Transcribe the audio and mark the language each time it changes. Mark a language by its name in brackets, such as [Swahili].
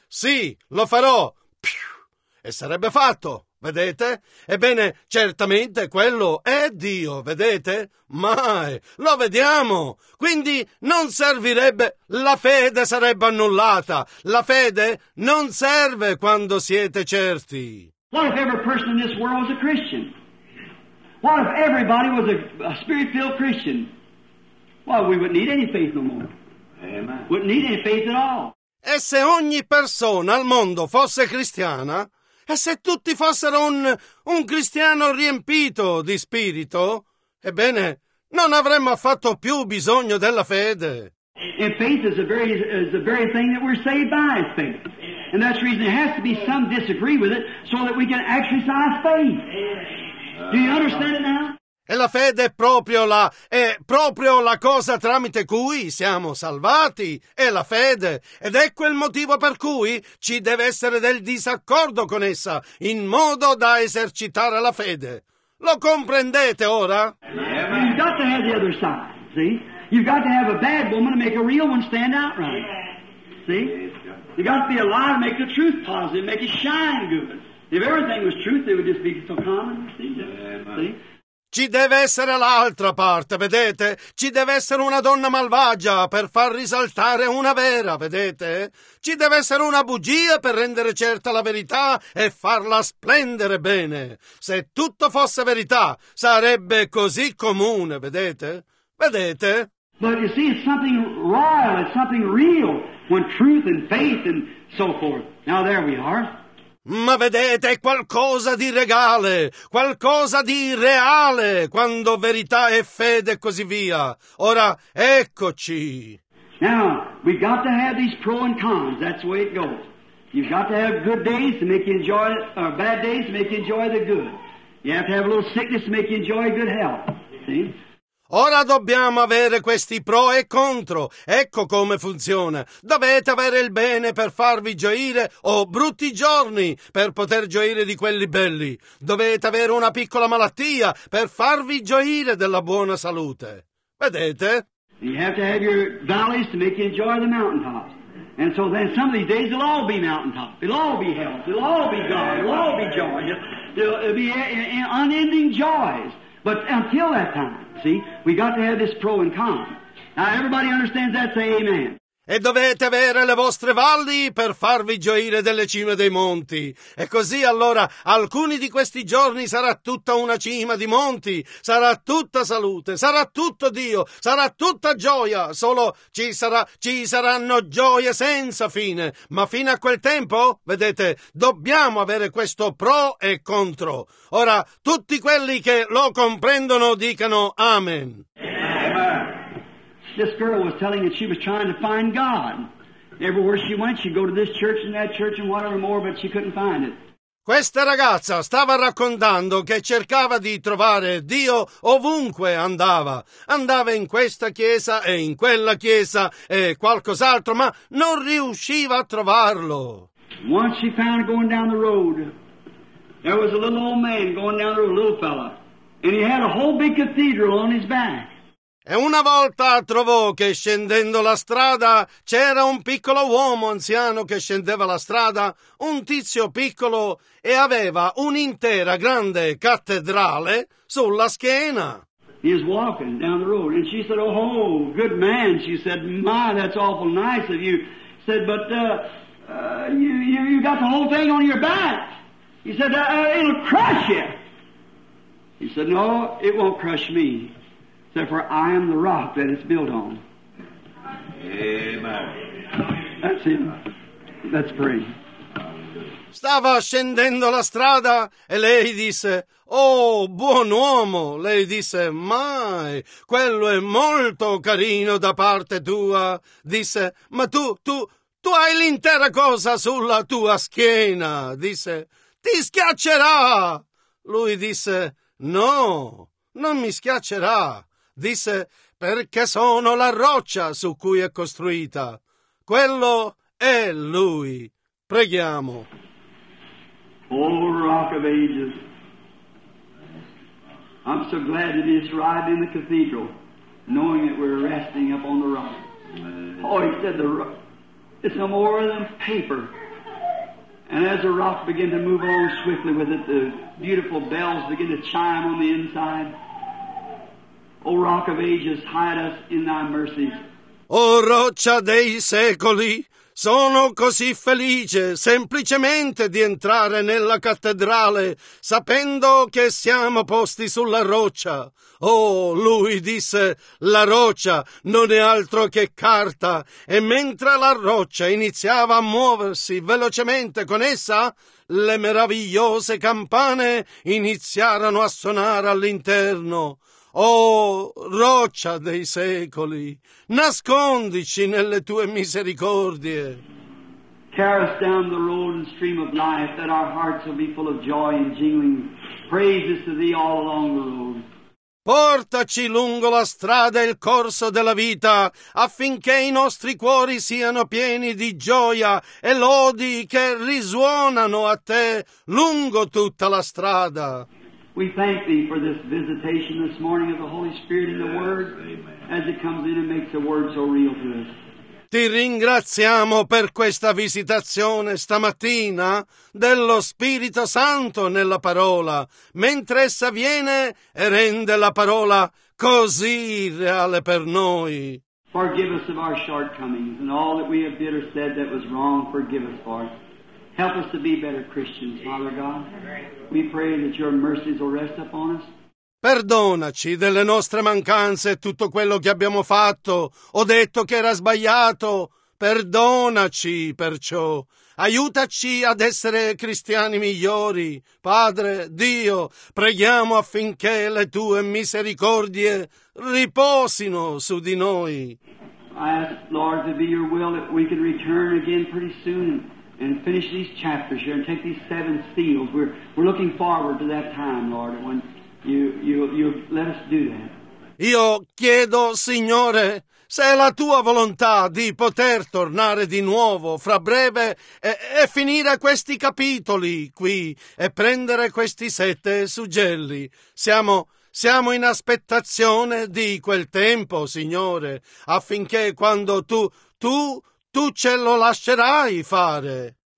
[Italian] Sì, lo farò. E sarebbe fatto, vedete? Ebbene, certamente quello è Dio, vedete? Mai, lo vediamo. Quindi non servirebbe, la fede sarebbe annullata. La fede non serve quando siete certi. [English] What if every person in this world was a Christian? What if everybody was a spirit-filled Christian? Well, we wouldn't need any faith no more. Amen. Wouldn't need any faith at all. [Italian] E se ogni persona al mondo fosse cristiana? E se tutti fossero un cristiano riempito di spirito? Ebbene, non avremmo affatto più bisogno della fede. [English] And faith is the very thing that we're saved by, is faith. And that's the reason there has to be some disagree with it so that we can exercise faith. Do you understand it now? [Italian] E la fede è proprio la cosa tramite cui siamo salvati, è la fede, ed ecco il motivo per cui ci deve essere del disaccordo con essa, in modo da esercitare la fede. Lo comprendete ora? Amen. [English] You've got to have the other side, see? You've got to have a bad woman to make a real one stand out right. Amen. See? You've got to be a lie to make the truth positive, make it shine good. If everything was truth, it would just be so common. See? [Italian] Ci deve essere l'altra parte, vedete? Ci deve essere una donna malvagia per far risaltare una vera, vedete? Ci deve essere una bugia per rendere certa la verità e farla splendere bene. Se tutto fosse verità, sarebbe così comune, vedete? Vedete? [English] But you see, it's something royal, it's something real, when truth and faith and so forth. Now there we are. [Italian] Ma vedete, è qualcosa di regale, qualcosa di reale, quando verità e fede e così via. Ora, eccoci. [English] Now, we've got to have these pros and cons, that's the way it goes. You've got to have good days to make you enjoy, or bad days to make you enjoy the good. You have to have a little sickness to make you enjoy good health, see? [Italian] Ora dobbiamo avere questi pro e contro. Ecco come funziona. Dovete avere il bene per farvi gioire o brutti giorni per poter gioire di quelli belli. Dovete avere una piccola malattia per farvi gioire della buona salute. Vedete? [English] You have to have your valleys to make you enjoy the mountaintops. And so then some of these days it'll all be mountaintops. It'll all be health. It'll all be God. It'll all be joy. It'll be unending joys. But until that time, see, we got to have this pro and con. Now everybody understands that, say amen. [Italian] E dovete avere le vostre valli per farvi gioire delle cime dei monti. E così allora alcuni di questi giorni sarà tutta una cima di monti, sarà tutta salute, sarà tutto Dio, sarà tutta gioia, solo ci saranno gioie senza fine. Ma fino a quel tempo, vedete, dobbiamo avere questo pro e contro. Ora, tutti quelli che lo comprendono dicano amen. [English] This girl was telling that she was trying to find God. Everywhere she went, she'd go to this church and that church and whatever more, but she couldn't find it. [Italian] Questa ragazza stava raccontando che cercava di trovare Dio ovunque andava. Andava in questa chiesa e in quella chiesa e qualcos'altro, ma non riusciva a trovarlo. [English] Once she found going down the road, there was a little old man going down the road, a little fella, and he had a whole big cathedral on his back. [Italian] E una volta trovò che scendendo la strada c'era un piccolo uomo anziano che scendeva la strada, un tizio piccolo, e aveva un'intera grande cattedrale sulla schiena. [English] He was walking down the road and she said, oh, good man, she said, my, that's awful nice of you. He said, but you got the whole thing on your back. He said, it'll crush you. He said, no, it won't crush me. Said, for I am the rock that it's built on. Amen. That's him. Let's pray. [Italian] Stava scendendo la strada e lei disse, oh, buon uomo. Lei disse, mai, quello è molto carino da parte tua. Disse, ma tu hai l'intera cosa sulla tua schiena. Disse, ti schiaccerà. Lui disse, no, non mi schiaccerà. Disse, perché sono la roccia su cui è costruita. Quello è lui. Preghiamo. [English] O rock of ages, I'm so glad that he's arrived in the cathedral, knowing that we're resting up on the rock. Oh, he said, the rock, it's no more than paper. And as the rock began to move on swiftly with it, the beautiful bells began to chime on the inside. O rock of ages, hide us in thy mercies. [Italian] O roccia dei secoli, sono così felice semplicemente di entrare nella cattedrale, sapendo che siamo posti sulla roccia. Oh, lui disse, la roccia non è altro che carta. E mentre la roccia iniziava a muoversi velocemente con essa, le meravigliose campane iniziarono a suonare all'interno. Oh, roccia dei secoli, nascondici nelle tue misericordie. [English] Carry us down the road and stream of life, that our hearts will be full of joy and jingling praises to thee all along the road. [Italian] Portaci lungo la strada e il corso della vita, affinché i nostri cuori siano pieni di gioia e lodi che risuonano a te lungo tutta la strada. [English] We thank thee for this visitation this morning of the Holy Spirit in the Word, as it comes in and makes the Word so real to us. [Italian] Ti ringraziamo per questa visitazione stamattina dello Spirito Santo nella parola, mentre essa viene e rende la parola così reale per noi. [English] Forgive us of our shortcomings and all that we have did or said that was wrong, forgive us for it. Help us to be better Christians, Father God. We pray that your mercies will rest upon us. [Italian] Perdonaci delle nostre mancanze e tutto quello che abbiamo fatto o detto che era sbagliato. Perdonaci perciò. Aiutaci ad essere cristiani migliori. Padre, Dio, preghiamo affinché le tue misericordie riposino su di noi. [English] I ask, Lord, to be your will that we can return again pretty soon and finish these chapters here and take these seven seals. We're looking forward to that time, Lord, when you let us do that. [Italian] Io chiedo, Signore, se è la tua volontà di poter tornare di nuovo fra breve e finire questi capitoli qui e prendere questi sette suggelli. Siamo in aspettazione di quel tempo, Signore, affinché quando tu ce lo lascerai fare.